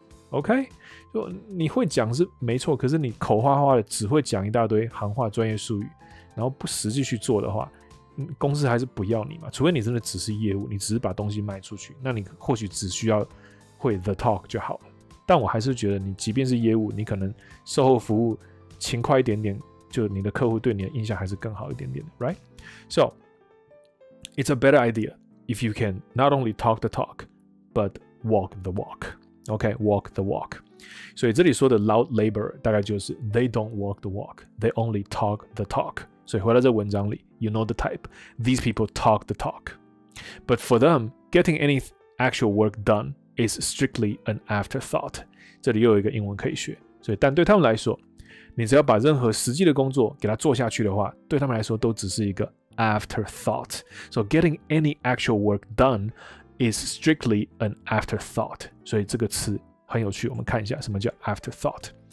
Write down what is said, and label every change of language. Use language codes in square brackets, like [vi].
[zh] OK， 就你会讲是没错，可是你口花花的只会讲一大堆行话专业术语，然后不实际去做的话，公司还是不要你嘛。除非你真的只是业务，你只是把东西卖出去，那你或许只需要会 the talk 就好了。但我还是觉得你即便是业务，你可能售后服务勤快一点点，就你的客户对你的印象还是更好一点点的 ，right？ [en] So it's a better idea if you can not only talk the talk, but walk the walk. OK, walk the walk. [zh] 所以这里说的 [en] loud laborer [zh] 大概就是 [en] they don't walk the walk, they only talk the talk. [zh] 所以回到这文章里 [en] ，you know the type. These people talk the talk, but for them, getting any actual work done is strictly an afterthought. [zh] 这里又有一个英文可以学。所以，但对他们来说，你只要把任何实际的工作给他做下去的话，对他们来说都只是一个 afterthought。 [en] So getting any actual work done is strictly an afterthought。 [zh] 所以这个词很有趣，我们看一下什么叫 afterthought。